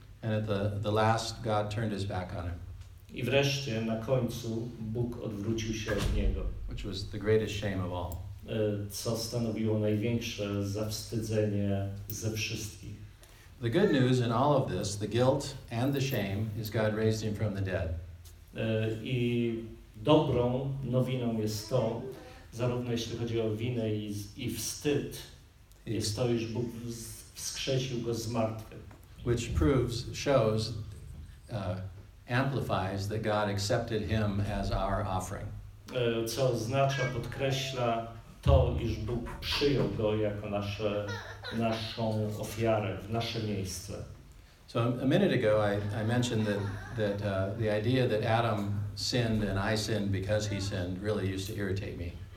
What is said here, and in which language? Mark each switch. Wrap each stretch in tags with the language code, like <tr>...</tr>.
<en>And at the last, God turned his back on him.</en> <pl>I wreszcie, na końcu, Bóg odwrócił się od niego.</pl> <en>Which was the greatest shame of all.</en> <pl>Co stanowiło największe zawstydzenie ze wszystkich.</pl> <en>The good news in all of this, the guilt and the shame, is God raised him from the dead.</en> <pl>I dobrą nowiną jest to, zarówno jeśli chodzi o winę i wstyd, jest to, iż Bóg wskrzesił go z martwych.</pl> <en>Which proves, shows, amplifies that God accepted him as our offering.</en> <pl>Co oznacza, podkreśla to, iż Bóg przyjął go jako naszą ofiarę, w nasze miejsce.</pl> <en>So a minute ago I mentioned that the idea that Adam sinned and I sinned because he sinned really used to irritate me.</en>